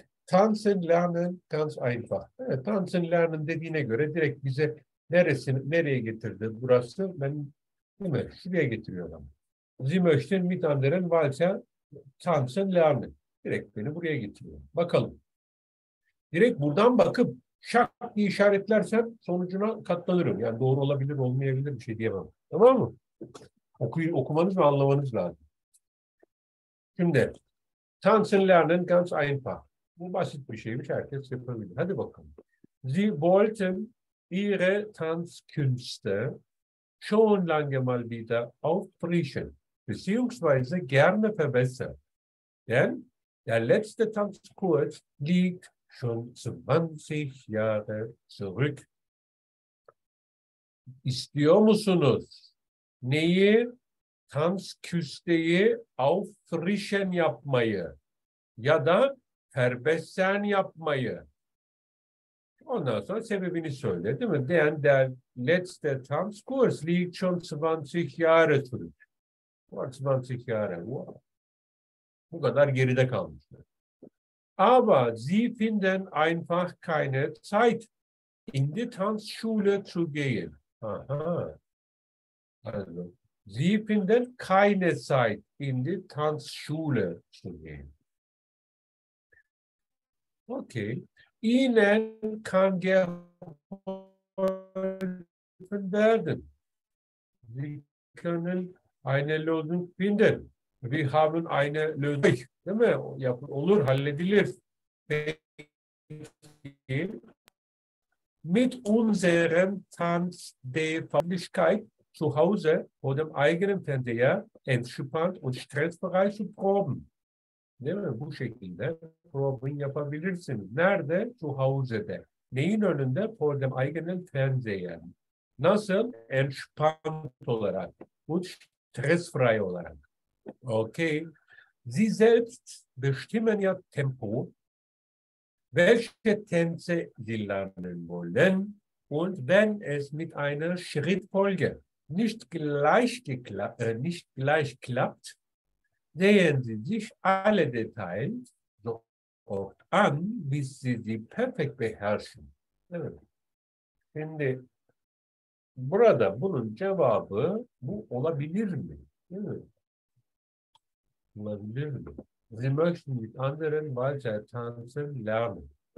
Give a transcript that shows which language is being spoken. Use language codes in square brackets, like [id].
[de] Tanzen lernen ganz einfach. [tr] Evet, [de] Tanzen lernen [tr] dediğine göre direkt bize neresini, nereye getirdi burası? Ben değil mi? Şuraya getiriyor adam. [de] Sie möchten mit anderen Walter Tanzen lernen. [tr] Direkt beni buraya getiriyor. Bakalım. Direkt buradan bakıp şak diye işaretlersem sonucuna katlanırım. Yani doğru olabilir, olmayabilir bir şey diyemem. Tamam mı? Okumanız ve anlamanız lazım. Şimdi [de] Tanzen lernen ganz einfach. [tr] Bu basit bir şeymiş. Herkes yapabilir. Hadi bakalım. [de] Sie wollten ihre Tanzkünste schon lange mal wieder auffrischen, beziehungsweise gerne verbessern. Denn der letzte Tanzkurs liegt schon 20 Jahre zurück. [tr] İstiyor musunuz? Neyi? Tanzkünste'yi auffrischen yapmayı ya da terbessen yapmayı. Ondan sonra sebebini söyle, değil mi? [de] Den der letzte Tanzkurs liegt schon 20 Jahre zurück. 20 Jahre. Wow. [tr] Bu kadar geride kalmışlar. [de] Aber sie finden einfach keine Zeit in die Tanzschule zu gehen. Aha. Also, sie finden keine Zeit in die Tanzschule zu gehen. Okay. Ihnen kann geholfen werden. Sie können eine Lösung finden. Wir haben eine Lösung. [tr] Değil mi? Olur, halledilir. Peki. [de] Mit unserem Tanz der Fachlichkeit zu Hause vor dem eigenen Fernseher entspannt und stressfrei zu proben. [tr] Değil mi? Bu şekilde probing yapabilirsiniz. Nerede? Zu Hause'de. Neyin önünde? [de] Vor dem eigenen Fernseher. [tr] Nasıl? Entspannt olarak. [de] Und stressfrei [tr] olarak. Okay. [de] Sie selbst bestimmen ja Tempo, welche Tänze Sie lernen wollen und wenn es mit einer Schrittfolge nicht gleich klappt, sehen Sie sich alle Details so oft an, bis Sie sie perfekt beherrschen. [tr] Evet. Şimdi burada bunun cevabı bu olabilir mi? Değil mi? Olabilir mi? [de] Sie möchten mit anderen weiter tanzen lernen.